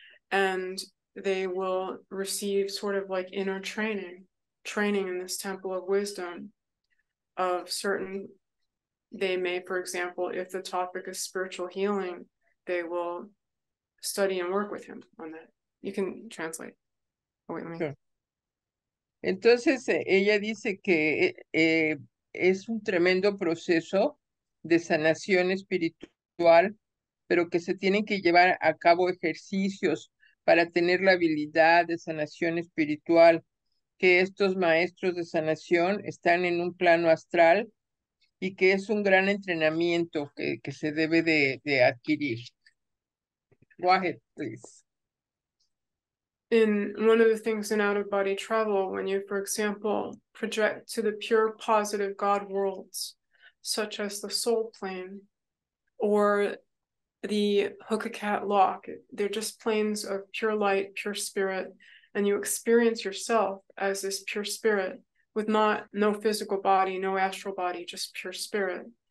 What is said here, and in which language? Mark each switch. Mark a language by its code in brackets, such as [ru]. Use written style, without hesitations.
[en] And they will receive sort of like inner training in this temple of wisdom of certain, they may, for example, if the topic is spiritual healing, they will study and work with him on that. You can translate. Oh, wait, let me. [es] Entonces, ella dice que es un tremendo proceso de sanación espiritual, pero que se tienen que llevar a cabo ejercicios para tener la habilidad de sanación espiritual, que estos maestros de sanación están en un plano astral y que es un gran entrenamiento que se debe de adquirir. [en] Go ahead, please. In one of the things in out-of-body travel, when you, for example, project to the pure positive God worlds, such as the soul plane or the Hookah-Cat lock, they're just planes of pure light, pure spirit, and you experience yourself as this pure spirit with no physical body, no astral body, just pure spirit.